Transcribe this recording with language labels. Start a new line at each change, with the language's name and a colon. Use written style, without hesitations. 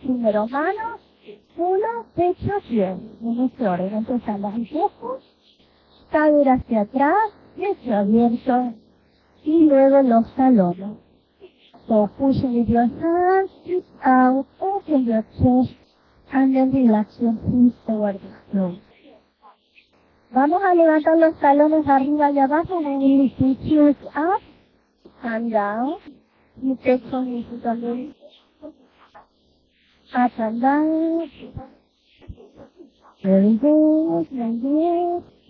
Spanish: Primero manos, culo, pecho, pie. En este orden, empezando a empujos. Cadera hacia atrás, pecho abierto. Y luego los talones.
English: So push with your hands, sit out, open your chest. And then relax your feet toward the floor. Vamos a levantar los talones arriba y abajo. And we lift your chest up and down. You take some of your talons. Up and down. Very good, very good.